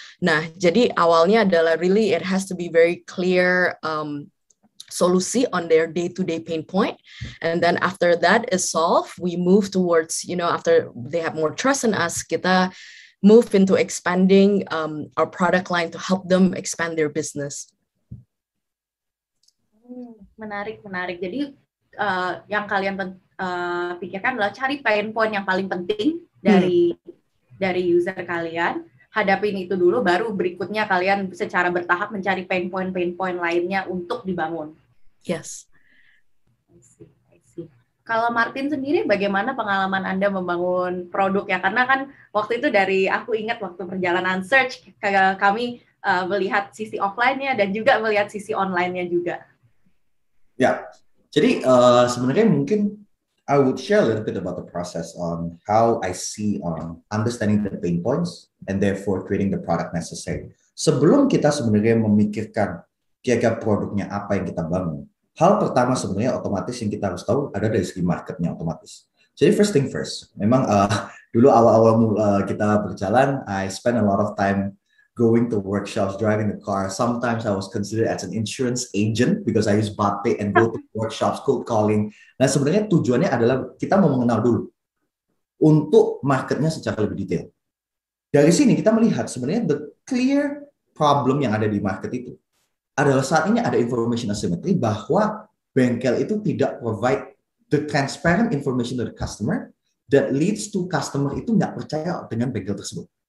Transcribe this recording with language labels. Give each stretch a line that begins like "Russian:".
Indonesian: Nah, jadi awalnya adalah
English: really it has to be very clear solusi on their day-to-day pain point. And then after that is solved, we move towards, you know, after they have more trust in us,
Indonesian: kita move into
English: expanding our product line to help them expand their business.
Indonesian: Menarik. Jadi yang kalian pikirkan adalah cari pain point yang paling penting dari user kalian, hadapin itu dulu, baru berikutnya kalian secara bertahap mencari pain point lainnya untuk dibangun.
English: Yes. I see.
Indonesian: Kalau Martin sendiri, bagaimana pengalaman Anda membangun produk ya? Karena kan waktu itu dari aku ingat waktu perjalanan search, kami melihat sisi offline-nya dan juga melihat sisi online-nya juga. Ya, jadi sebenarnya mungkin
English: I would share a little bit about the process on how I see on understanding the pain points and therefore creating the product necessary.
Indonesian: Sebelum kita sebenarnya memikirkan kira-kira produknya apa yang kita bangun, hal pertama sebenarnya otomatis yang kita harus tahu ada dari segi marketnya otomatis.
English: Jadi first thing first,
Indonesian: memang dulu awal-awal kita berjalan,
English: I spend a lot of time going to workshops, driving the car. Sometimes I was considered as an insurance agent because I use batik and go to workshops, cold calling.
Indonesian: Nah, sebenarnya tujuannya adalah kita mau mengenal dulu untuk marketnya secara lebih detail. Dari sini kita melihat sebenarnya
English: the clear problem
Indonesian: yang ada di market itu adalah saat ini ada information asymmetry bahwa bengkel itu tidak
English: provide the transparent information to the customer that leads to
Indonesian: customer itu nggak percaya dengan bengkel tersebut.